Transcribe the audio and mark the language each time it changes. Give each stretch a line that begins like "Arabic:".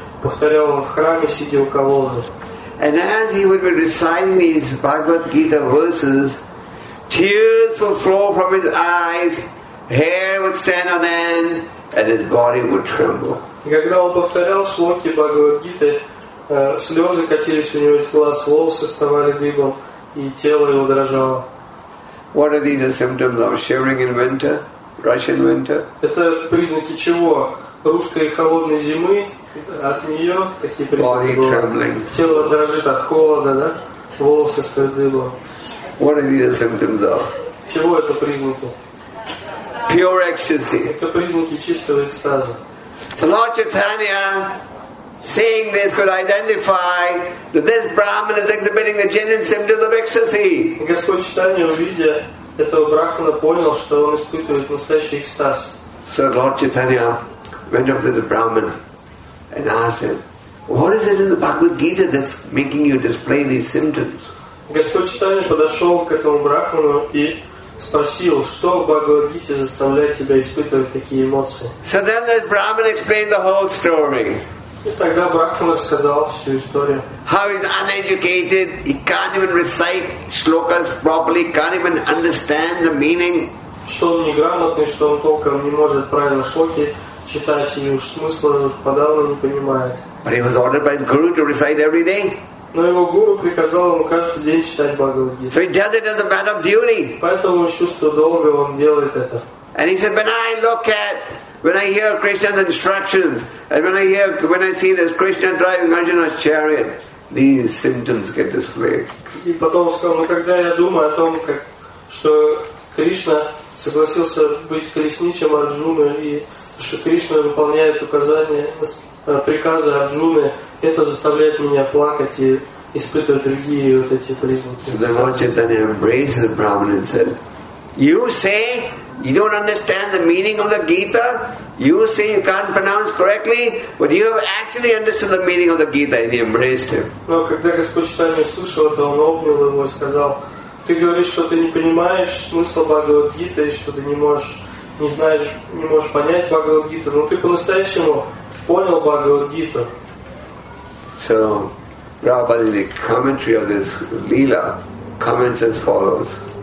Russian: Повторял он в храме, сидя у колонны.
English: And as he would be reciting these Bhagavad Gita verses, tears will flow from his eyes hair would stand on end, and his body would tremble.
Russian: И когда он повторял шлоки Бхагавад-гиты, слезы катились у него из глаз, волосы вставали дыбом, и тело его дрожало.
English: What are these symptoms of shivering in winter, Russian winter?
Russian: Это признаки чего? Русской холодной зимы, от нее такие признаки были.
English: Body trembling.
Russian: Тело дрожит от холода, да? Волосы стоят дыбом.
English: What are these symptoms of?
Russian: Чего это признаки?
English: Pure ecstasy.
Russian: Это признаки чистого экстаза.
English: So Lord Chaitanya, seeing this, could identify that this Brahman is exhibiting the genuine symptoms of ecstasy.
Russian: Господь Читания, увидя этого Брахмана, понял, что он испытывает настоящий экстаз.
English: So Lord Chaitanya went up to the Brahman and asked him, what is it in the Bhagavad Gita that's making you display these symptoms?
Russian: Господь Читания подошел к этому Брахману и спросил, что в Бхагавад-гите заставляет тебя испытывать такие эмоции.
English: So then the Brahman explained the whole story.
Russian: И тогда Брахмана сказал всю историю.
English: How he's uneducated, he can't even recite shlokas properly, can't even understand the meaning.
Russian: Что он неграмотный, что он толком не может правильно шлоки читать, и уж смысла уж подавно не понимает.
English: But he was ordered by his guru to recite every day.
Russian: Но его гуру приказал ему каждый день читать Бхагавад-гиту.
English: So he does it as a matter of duty.
Russian: Поэтому он чувство долга, он делает это.
English: And he said, when I look at, when I hear Krishna's instructions, and when I hear, when I see this Krishna driving Arjuna's chariot, these symptoms get displayed.
Russian: И потом сказал, ну когда я думаю о том, как, что Кришна согласился быть колесничем Арджуны и что Кришна выполняет указания, приказы Арджуны. Это заставляет меня плакать и испытывать другие вот эти признаки.
English: So then Lord Chaitanya embraced the Brahman and said, you say you don't understand the meaning of the Gita, you say you can't pronounce correctly, but you have actually understood the meaning of the Gita, and he embraced him.
Russian: Но когда Господь Читания слушал это, он обнял его и сказал, ты говоришь, что ты не понимаешь смысла Бхагавад-гиты, и что ты не можешь, не знаешь, не можешь понять Бхагавад-гиту, но ты по-настоящему понял Бхагавад-гиту.
English: So, Prabhupada, in the commentary of this Leela, comments as follows.